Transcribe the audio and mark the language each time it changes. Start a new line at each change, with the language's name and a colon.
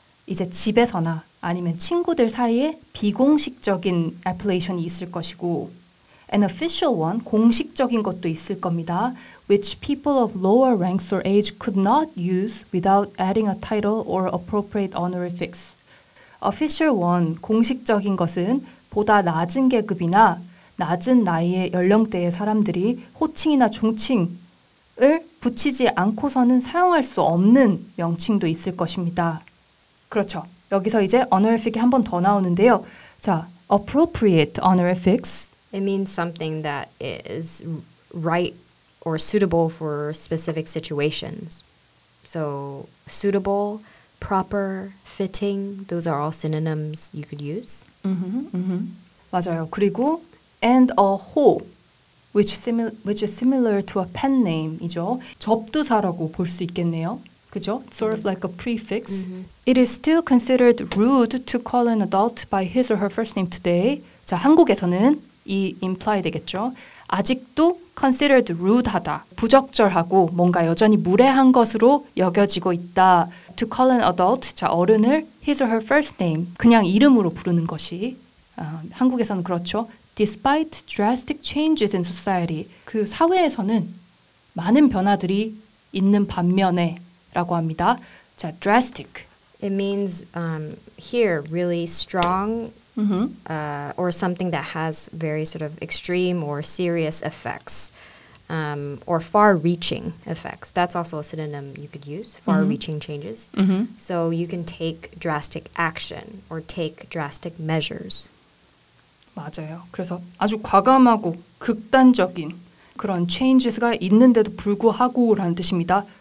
Korean: 이제 집에서나 아니면 친구들 사이에 비공식적인 appellation이 있을 것이고
English: An official one,
Korean: 공식적인 것도 있을 겁니다.
English: Which people of lower ranks or age could not use without adding a title or appropriate honorifics. Official one,
Korean: 공식적인 것은 보다 낮은 계급이나 낮은 나이의 연령대의 사람들이 호칭이나 종칭을 붙이지 않고서는 사용할 수 없는 명칭도 있을 것입니다. 그렇죠. 여기서 이제 honorific이 한 번 더 나오는데요. 자,
English: appropriate honorifics. It means something that is right or suitable for specific situations. So suitable, proper, fitting, those are all synonyms you could use. Mm-hmm, mm-hmm.
Korean: 맞아요. 그리고
English: and a whole, which is similar to a pen name이죠.
Korean: 접두사라고 볼 수 있겠네요. 그죠?
English: Sort of like a prefix. Mm-hmm. It is still considered rude to call an adult by his or her first name today.
Korean: 자, 한국에서는 이 imply 되겠죠. 아직도
English: considered rude
Korean: 하다. 부적절하고 뭔가 여전히 무례한 것으로 여겨지고 있다.
English: To call an adult,
Korean: 자, 어른을
English: his or her first name,
Korean: 그냥 이름으로 부르는 것이 한국에서는 그렇죠.
English: Despite drastic changes in society,
Korean: 그 사회에서는 많은 변화들이 있는 반면에 라고 합니다. 자, drastic.
English: It means here really strong or something that has very sort of extreme or serious effects or far-reaching effects. That's also a synonym you could use, far-reaching changes. Mm-hmm. So you can take drastic action or take drastic measures.
Korean: 맞아요. 그래서 아주 과감하고 극단적인 그런 changes가 있는데도 불구하고라는 뜻입니다.